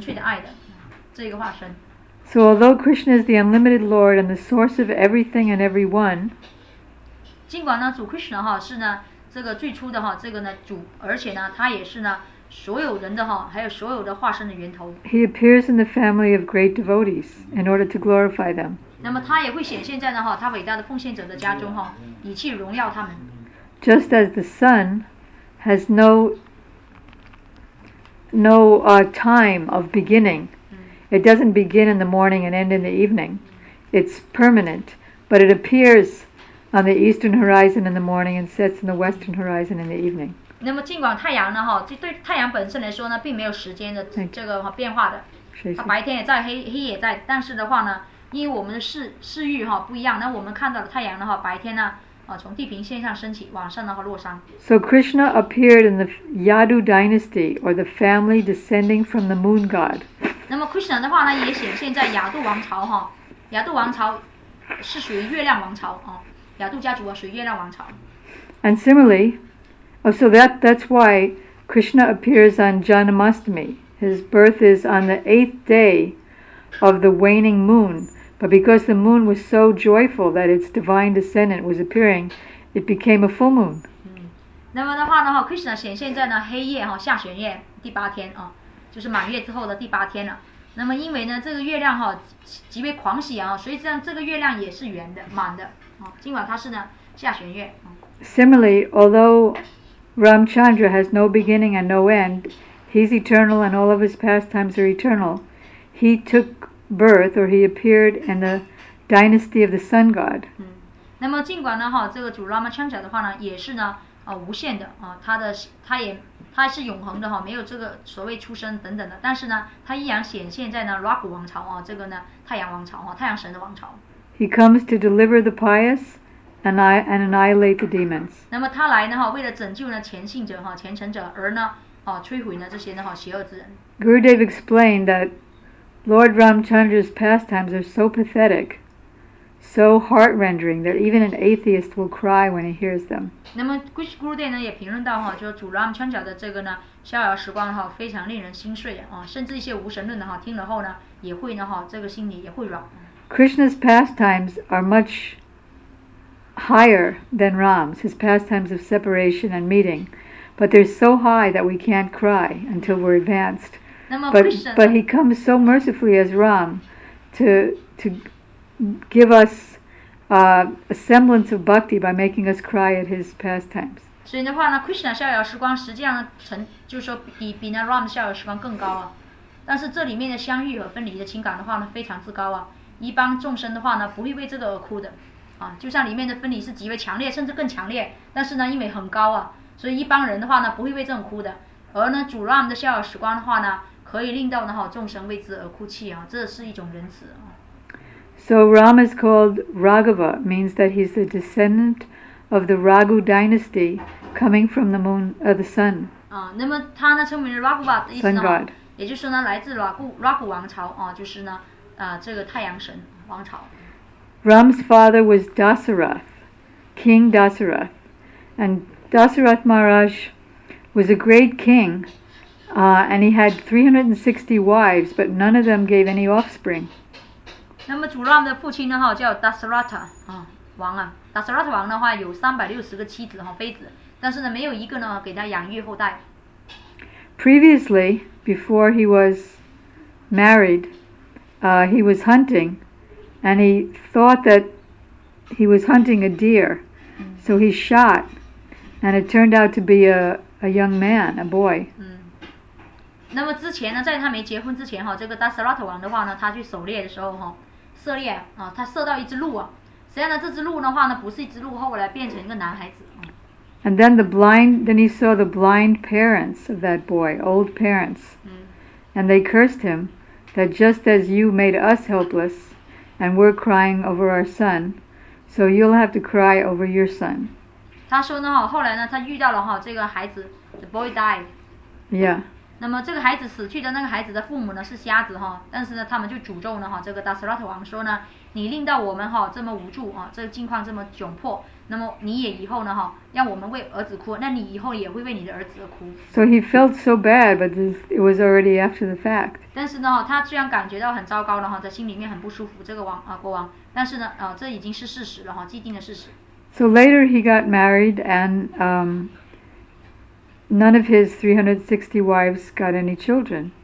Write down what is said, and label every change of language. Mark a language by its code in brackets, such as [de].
[zh] 那么呢，主Chaitanya Mahaprabhu称为呢Prem Purushottama，Prem Purushottama的意思呢，就是说他呢是派发呢哈Prem，纯粹的爱的这一个化身。 [en] So although Krishna is the unlimited Lord and the source of everything and everyone, [zh] 尽管呢主Krishna哈是呢这个最初的哈这个呢主，而且呢他也是呢。所有人的哈，还有所有的化身的源头。 [en] He appears in the family of great devotees in order to glorify them. [zh] 那么他也会显现在呢哈，他伟大的奉献者的家中哈，以去荣耀他们。 [en] Just as the sun has no time of beginning, it doesn't begin in the morning and end in the evening. It's permanent, but it appears on the eastern horizon in the morning and sets in the western horizon in the evening. [zh] 那么尽管太阳呢，哈，就对太阳本身来说呢，并没有时间的这个变化的，它白天也在，黑也在，但是的话呢，因为我们的视域哈不一样，那我们看到的太阳的话，白天呢，从地平线上升起，晚上的话落山。 [en] So Krishna appeared in the Yadu dynasty, or the family descending from the moon god. [zh] 那么 Krishna 的话呢，也显现在亚杜王朝哈，亚杜王朝是属于月亮王朝啊，亚杜家族啊属于月亮王朝。 [en] And similarly. Oh, so that's why Krishna appears on Janmashtami. His birth is on the eighth day of the waning moon. But because the moon was so joyful that its divine descendant was appearing, it became a full moon. [zh] 那么的话呢 ，Krishna 显现在呢黑夜哈下弦月第八天啊，就是满月之后的第八天了。那么因为呢这个月亮哈极为狂喜啊，所以这样这个月亮也是圆的满的啊，尽管它是呢下弦月。 [en] Similarly, although Ramchandra has no beginning and no end, he's eternal and all of his pastimes are eternal. He took birth or he appeared in the dynasty of the sun god. [zh] 那么尽管呢哈，这个主 Ramchandra 的话呢，也是呢无限的啊，他是永恒的哈，没有这个所谓出生等等的，但是呢，他依然显现在呢 Rahu 王朝啊，这个呢太阳王朝啊，太阳神的王朝。 [en] He comes to deliver the pious. And annihilate the demons. [zh] 那么他来呢哈，为了拯救呢虔信者哈虔诚者而呢啊摧毁呢这些呢哈邪恶之人。 [en] Gurudev explained that Lord Ramchandra's pastimes are so pathetic, so heart-rending that even an atheist will cry when he hears them. [zh] 那么 Gurudev 呢也评论到哈，就是主 Ramchandra 的这个呢逍遥时光哈非常令人心碎啊，甚至一些无神论的哈听了后呢也会呢哈这个心里也会软。 [en] Krishna's pastimes are much higher than Ram's, his pastimes of separation and meeting. But they're so high that we can't cry until we're advanced. But he comes so mercifully as Ram to give us a semblance of bhakti by making us cry at his pastimes. [zh] 所以的话呢 ,Krishna 逍遥时光实际上就是说比那 Ram 逍遥时光更高啊。但是这里面的相遇和分离的情感的话呢非常之高啊。一般众生的话呢不会为这个而哭的。啊，就像里面的分离是极为强烈，甚至更强烈。但是呢，因为很高啊，所以一般人的话呢，不会为这种哭的。而呢，主 Ram 的逍遥时光的话呢，可以令到呢哈众生为之而哭泣啊，这是一种仁慈啊。 [en] So Ram is called Raghava, means that he's the descendant of the Raghu dynasty, coming from the moon or the sun. [zh] 啊，那么他呢称为 Raghava 的意思呢，也就是呢来自 Raghu 王朝啊，就是呢这个太阳神王朝。 [en] Ram's father was Dasarath, King Dasarath, and Dasarath Maharaj was a great king, and he had 360 wives, but none of them gave any offspring. [zh] 那么主 Ram 的父亲呢哈叫 Dasaratha 王啊 ，Dasaratha 王的话有360个妻子哈妃子，但是呢没有一个呢给他养育后代。 [en] Previously, before he was married, he was hunting. And he thought that he was hunting a deer, so he shot, and it turned out to be a young man, a boy. [zh] 那么之前呢，在他没结婚之前哈，这个 Dasaratha 王的话呢，他去狩猎的时候哈，射猎啊，他射到一只鹿啊，实际上呢，这只鹿的话呢，不是一只鹿，后来变成一个男孩子。 [en] And then he saw the blind parents of that boy, old parents, and they cursed him, that just as you made us helpless. And we're crying over our son, so you'll have to cry over your son. [zh] 他说呢哈，后来呢，他遇到了哈这个孩子 ， [en] the boy died. Yeah. [zh] 那么这个孩子死去的那个孩子的父母呢是瞎子哈，但是呢他们就诅咒呢哈这个 Dasaratha 王说呢，你令到我们哈这么无助啊，这个境况这么窘迫，那么你也以后呢哈让我们为儿子哭，那你以后也会为你的儿子而哭。 [en] So he felt so bad, but it was already after the fact. [zh] 但是呢他虽然感觉到很糟糕了哈，在心里面很不舒服，这个王啊国王，但是呢这已经是事实了哈，既定的事实。 [en] So later he got married and None of his 360 wives got any children.